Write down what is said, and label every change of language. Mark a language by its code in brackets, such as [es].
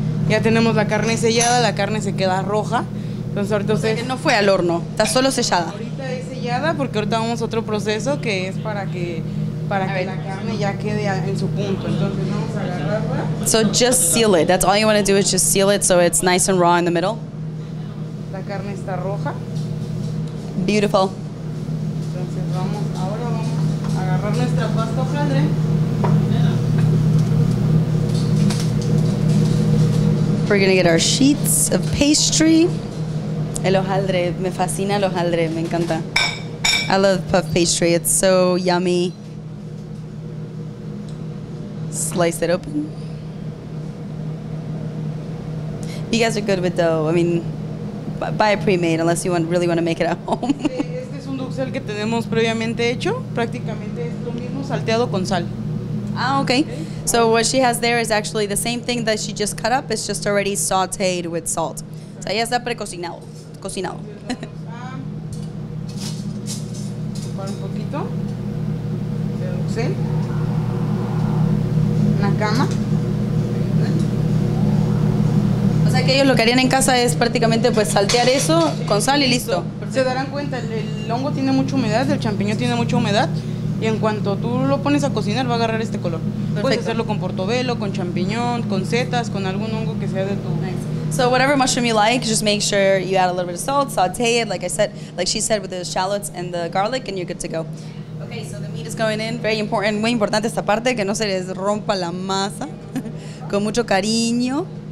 [es] Ya tenemos la carne sellada, la carne se queda roja. Entonces ahorita ustedes... No fue al horno, está solo sellada. Ahorita es sellada porque ahorita vamos a otro proceso que es para que la carne ya quede en su punto. Entonces vamos a agarrarla. [en] So just seal it. That's all you want to do is just seal it so it's nice and raw in the middle. [es] La carne está roja. [en] Beautiful. [es] Entonces ahora vamos a agarrar nuestra pasta hojaldre. [en] We're going to get our sheets of pastry. [es] El hojaldre. Me fascina el hojaldre. Me encanta. [en] I love puff pastry. It's so yummy. Slice it open. You guys are good with dough. I mean, buy it pre-made unless you really want to make it at home. [es] Este es un dulce que tenemos previamente hecho. Prácticamente es lo mismo salteado con sal. [en] Ah, okay. So what she has there is actually the same thing that she just cut up. It's just already sauteed with salt. [es] O sea, ya está precocinado. Cocinado. Vamos a ocupar un poquito de dulce. Una cama. O sea, que ellos lo que harían en casa es prácticamente pues saltear eso con sal y listo. Se darán cuenta, el hongo tiene mucha humedad, el champiñón tiene mucha humedad. Y en cuanto tú lo pones a cocinar, va a agarrar este color. Perfecto. Puedes hacerlo con portobello, con champiñón, con setas, con algún hongo que sea de tu... [en] Nice. So whatever mushroom you like, just make sure you add a little bit of salt, saute it, like I said, like she said, with the shallots and the garlic, and you're good to go. Okay, so the meat is going in. Very important. [es] Muy importante esta parte, que no se les rompa la masa. Con mucho cariño.